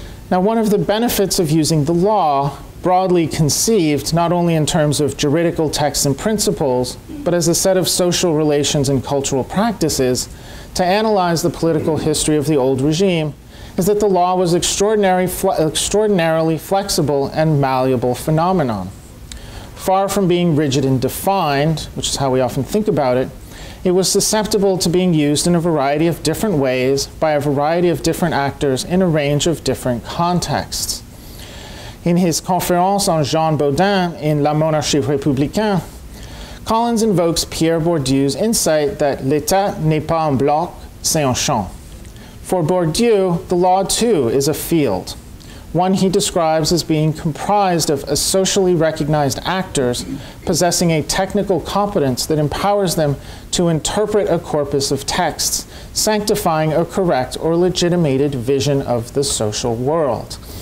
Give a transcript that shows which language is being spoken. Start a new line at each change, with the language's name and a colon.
English: Now, one of the benefits of using the law, broadly conceived, not only in terms of juridical texts and principles, but as a set of social relations and cultural practices, to analyze the political history of the old regime, is that the law was an extraordinarily flexible and malleable phenomenon. Far from being rigid and defined, which is how we often think about it, it was susceptible to being used in a variety of different ways by a variety of different actors in a range of different contexts. In his Conférence on Jean Bodin in La Monarchie Républicaine, Collins invokes Pierre Bourdieu's insight that
French: l'État n'est pas un bloc, c'est un champ.
English: For Bourdieu, the law too is a field, one he describes as being comprised of a socially recognized actors possessing a technical competence that empowers them to interpret a corpus of texts, sanctifying a correct or legitimated vision of the social world.